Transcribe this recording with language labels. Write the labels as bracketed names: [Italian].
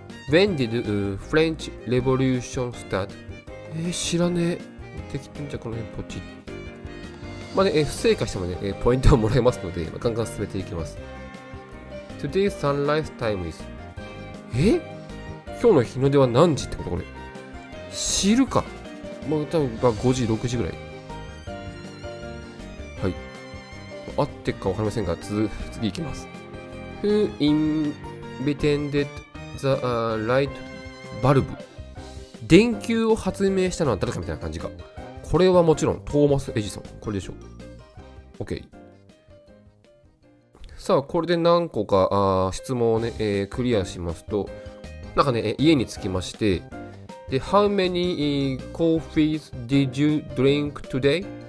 [English] When did French Revolution start? [Japanese] 知らねえ。できてんじゃこの辺ポチ。まあね、不正解してもね、ポイントはもらえますので、まあ、ガンガン進めていきます。 [English] Today's sunrise time is [Japanese] 今日の日の出は何時ってことこれ。知るか。まあ多分5時6時ぐらい。はい、合ってるか分かりませんが、次いきます。 [English] Who invented the light bulb? [Japanese] 電球を発明したのは誰かみたいな感じか。これはもちろんトーマス・エジソン。これでしょう。 OK。さあこれで何個か質問をね、クリアしますと、なんかね、家に着きまして、で、 [English] How many coffees did you drink today?